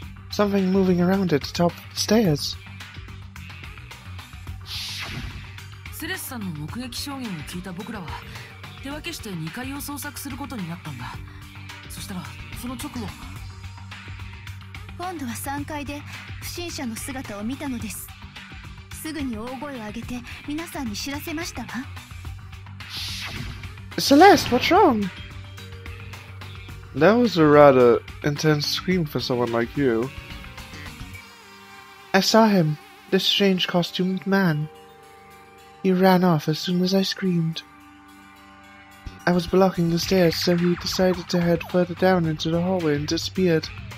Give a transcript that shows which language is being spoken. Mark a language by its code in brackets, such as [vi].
[en] Something moving around at the top of the stairs. [ja] セレスさんの目撃証言を聞いた僕らは手分けして2階を捜索することになったんだ。そしたらその直後、今度は3階で不審者の姿を見たのです。すぐに大声を上げて皆さんに知らせましたわ。Celeste, [en] what's wrong? That was a rather intense scream for someone like you. I saw him, this strange costumed man. He ran off as soon as I screamed. I was blocking the stairs, so he decided to head further down into the hallway and disappeared.